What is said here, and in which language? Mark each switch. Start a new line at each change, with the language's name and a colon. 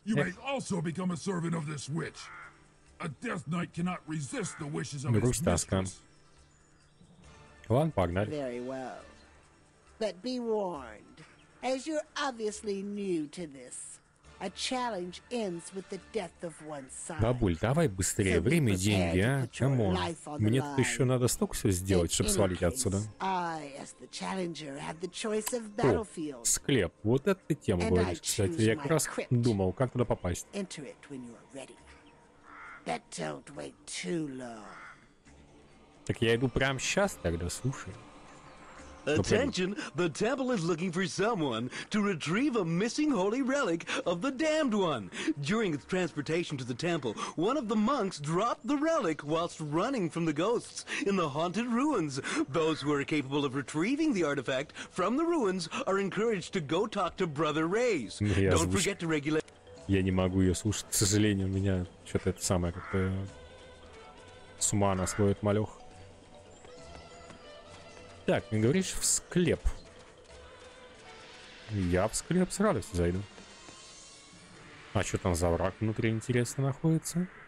English: You may also become a servant of this witch. A death knight cannot resist the wishes of his mistress.
Russian: Грусть таскан. Ладно, погнали.
English: Very well. But be warned, as you're obviously new to this. A challenge ends with the death of one side.
Russian: Бабуль, давай быстрее, время и деньги, а? Камон, мне тут еще надо столько всего сделать, чтобы свалить отсюда.
English: I, as the challenger, have the choice of battlefield.
Russian: О, склеп, вот эта тема, говоришь, кстати, я как раз думал, как туда попасть.
English: Enter it when you are ready. But don't wait too long.
Russian: Так я иду прямо сейчас тогда, слушай.
English: Attention, the temple is looking for someone to retrieve a missing holy relic of the Damned One. During its transportation to the temple, one of the monks dropped the relic whilst running from the ghosts in the haunted ruins. Those who are capable of retrieving the artifact from the ruins are encouraged to go talk to Brother Reyes. Don't forget to regulate...
Russian: Я не могу ее слушать, к сожалению, у меня что-то это самое как-то... С ума она сходит, малёх. Так, не говоришь в склеп. Я в склеп с радостью зайду. А что там за враг внутри интересно находится?